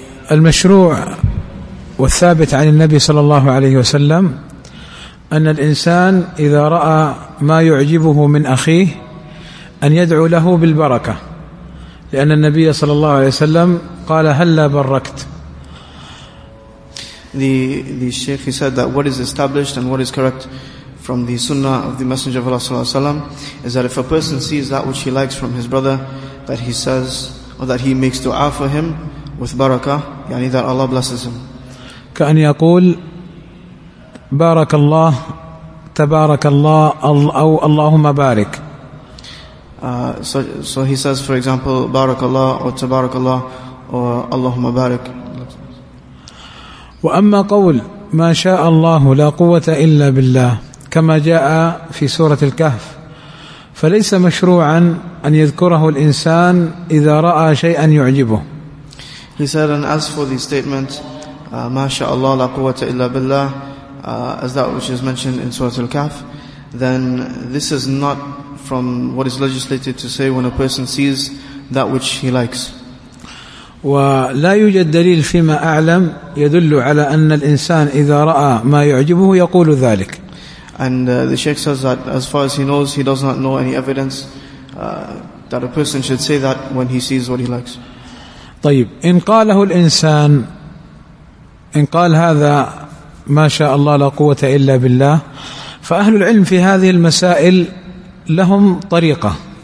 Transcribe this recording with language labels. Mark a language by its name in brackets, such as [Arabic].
[Arabic] المشروع والثابت عن النبي صلى الله عليه وسلم أن الإنسان إذا رأى ما يعجبه من أخيه أن يدعو له بالبركة، لأن النبي صلى الله عليه وسلم قال هلا بركت. [English] The Sheikh, he said that what is established and what is correct from the sunnah of the Messenger of Allah ﷺ is that if a person sees that which he likes from his brother, that he says, or that he makes dua for him with barakah, yani that Allah blesses him. [Arabic] كأن يقول بارك الله تبارك الله أو اللهم بارك. [English] So he says, for example, [Arabic] بارك الله أو تبارك الله أو اللهم بارك. وأما قول ما شاء الله لا قوة إلا بالله كما جاء في سورة الكهف فليس مشروعا أن يذكره الإنسان إذا رأى شيئا يعجبه. [English] He said, and as for the statement [Arabic] ما شاء الله لا قوة إلا بالله, [English] as that which is mentioned in Surah Al-Kahf, then this is not from what is legislated to say when a person sees that which he likes. [Arabic] ولا يوجد دليل فيما أعلم يدل على أن الإنسان إذا رأى ما يعجبه يقول ذلك. [English] And the Sheikh says that as far as he knows, he does not know any evidence that a person should say that when he sees what he likes. [Arabic] طيب إن قاله الإنسان إن قال هذا ما شاء الله لا قوة إلا بالله فأهل العلم في هذه المسائل لهم طريقة.